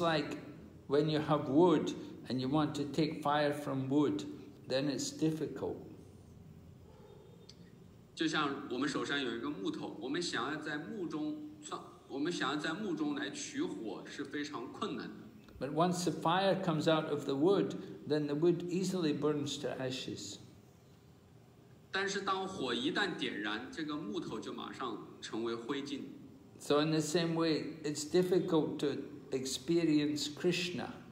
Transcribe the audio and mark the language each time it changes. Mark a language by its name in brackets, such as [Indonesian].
[English] like when you have wood and you want to take fire from wood, then it's difficult. [Chinese] 就像我们手上有一个木头，我们想要在木中来取火是非常困难的。 [English] But once the fire comes out of the wood. Then the wood easily burns to ashes. [Chinese] 但是当火一旦点燃，这个木头就马上成为灰烬。 [English] So in the same way, it's difficult to experience Krishna.